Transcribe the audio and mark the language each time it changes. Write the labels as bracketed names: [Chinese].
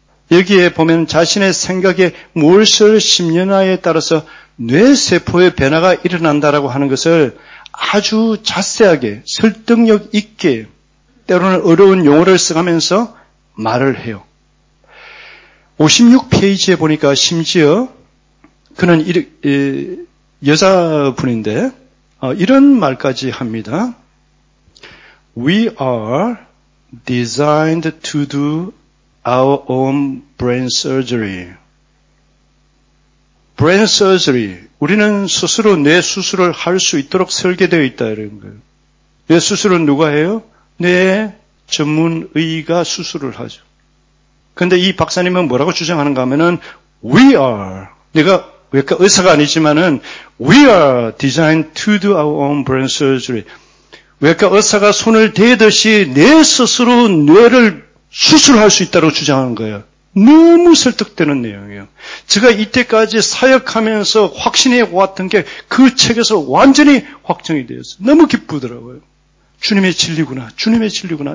[Korean] 여기에 보면 자신의 생각에 무엇을 심느냐에 따라서 뇌세포의 변화가 일어난다라고 하는 것을 아주 자세하게 설득력 있게 때로는 어려운 용어를 써가면서 말을 해요. 56페이지에 보니까 심지어 그는 여자분인데 이런 말까지 합니다. [English] We are designed to do our own brain surgery. Brain surgery. [Korean] 우리는 스스로 뇌 수술을 할 수 있도록 설계되어 있다 이런 거예요. 뇌 수술은 누가 해요? 뇌 전문의가 수술을 하죠. 그런데 이 박사님은 뭐라고 주장하는가 하면은 [English] We are. [Korean] 내가 그러니까 의사가 아니지만은 [English] We are designed to do our own brain surgery. [Korean] 외과 의사가 손을 대듯이 내 스스로 뇌를 수술할 수 있다고 주장하는 거예요. 너무 설득되는 내용이에요. 제가 이때까지 사역하면서 확신해 왔던 게 그 책에서 완전히 확정이 되었어요. 너무 기쁘더라고요. 주님의 진리구나. 주님의 진리구나.